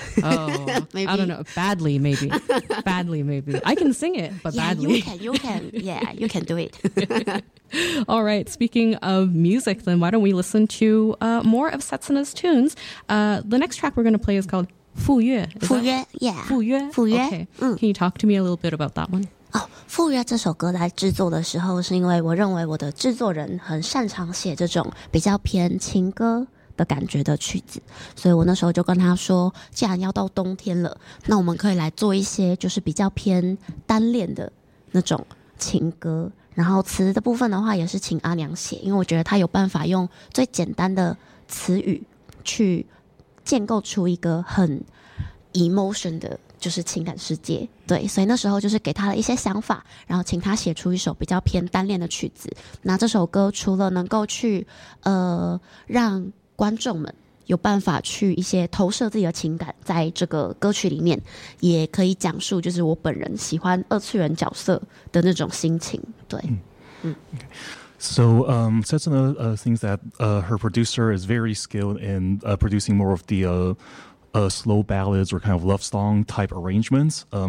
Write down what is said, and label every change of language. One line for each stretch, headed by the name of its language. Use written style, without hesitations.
English: Oh, I don't know. Badly, maybe. I can sing it, but badly. You can. Yeah, you can do it. All right. Speaking of music, then why don't we listen to more of Setsuna's tunes? The next track we're going to play is called Fu Yue. Fu Yue. Okay. Can you talk to me a little bit about that one?
Chinese: 赴约这首歌来制作的时候，是因为我认为我的制作人很擅长写这种比较偏情歌的感觉的曲子，所以我那时候就跟他说，既然要到冬天了，那我们可以来做一些就是比较偏单恋的那种情歌。然后词的部分的话也是请阿娘写，因为我觉得他有办法用最简单的词语去建构出一个很 emotion 的就是情感世界，对，所以那时候就是给他了一些想法，然后请他写出一首比较偏单恋的曲子。那这首歌除了能够去让观众们有办法去一些投射自己的情感在这个歌曲里面，也可以讲述就是我本人喜欢二次元角色的那种心情，对。
English: So Setsuna thinks that her producer is very skilled in producing more of the slow ballads or kind of love song type arrangements.